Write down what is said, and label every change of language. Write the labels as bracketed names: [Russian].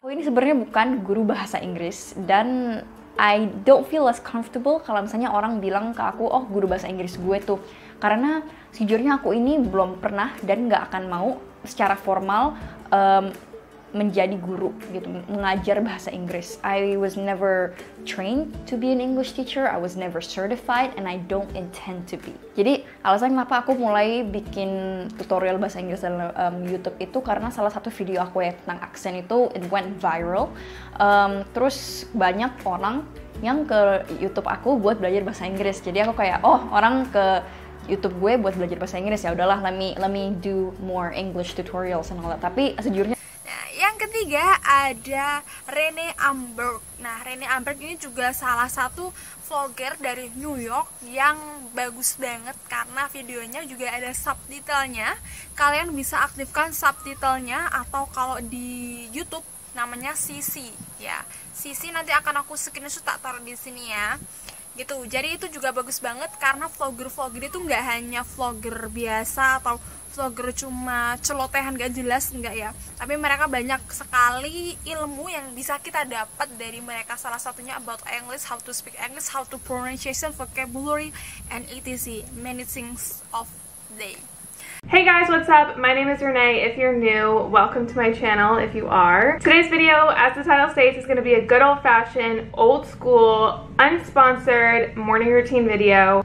[Indonesian] Oh, ini sebenarnya bukan guru bahasa Inggris dan [English] I don't feel as comfortable [Indonesian] kalau misalnya orang bilang ke aku, oh guru bahasa Inggris gue tuh. Karena sejujurnya aku ini belum pernah dan gak akan mau secara formal menjadi guru gitu, mengajar bahasa Inggris. [English] I was never trained to be an English teacher, I was never certified, and I don't intend to be. [Indonesian] Jadi alasan kenapa aku mulai bikin tutorial bahasa Inggris di YouTube itu karena salah satu video aku ya tentang aksen itu, [English] it went viral. [Indonesian] Terus banyak orang yang ke YouTube aku buat belajar bahasa Inggris. Jadi aku kayak, oh orang ke YouTube gue buat belajar bahasa Inggris, ya udahlah [English] let me do more English tutorials and all that. [Indonesian] Tapi sejujurnya yang ketiga ada Rene Amberg. Nah, Rene Amberg ini juga salah satu vlogger dari New York yang bagus banget karena videonya juga ada subtitlenya. Kalian bisa aktifkan subtitlenya atau kalau di YouTube namanya CC ya. CC nanti akan aku screenshot tak taruh di sini ya. Gitu. Jadi itu juga bagus banget karena vlogger-vlogger itu nggak hanya vlogger biasa atau vlogger cuma celotehan gak jelas, enggak ya. Tapi mereka banyak sekali ilmu yang bisa kita dapat dari mereka. Salah satunya [English] about English, how to speak English, how to pronunciation, vocabulary, and etc. Many things of day. Hey guys, what's up? My name is Renee. If you're new, welcome to my channel if you are. Today's video, as the title states, is gonna be a good old-fashioned, old-school, unsponsored morning routine video.